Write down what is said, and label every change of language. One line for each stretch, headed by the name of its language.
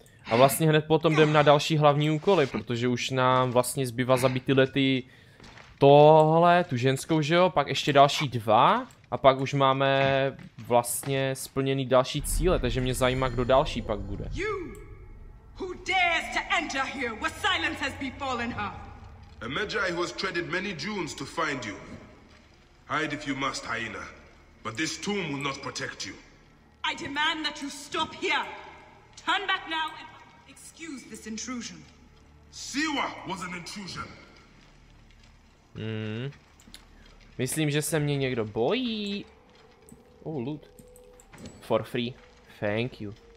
Czech: A vlastně hned potom jdem na další hlavní úkoly, protože už nám vlastně zbývá zabít tyhle ty tohle, tu ženskou, že jo, pak ještě další dva. A pak už máme vlastně splněný další cíle, takže mě zajímá, kdo další pak bude.
English: You, who dares to enter here, where silence has befallen her. A Magi who has treaded many dunes to find you. Hide if you must, hyena, but this tomb will not protect you. I demand that you stop here. Turn back now and excuse this intrusion. Siwa was an intrusion.
Czech: Myslím, že se mě někdo bojí.
English: Oh, loot. For free. Thank you.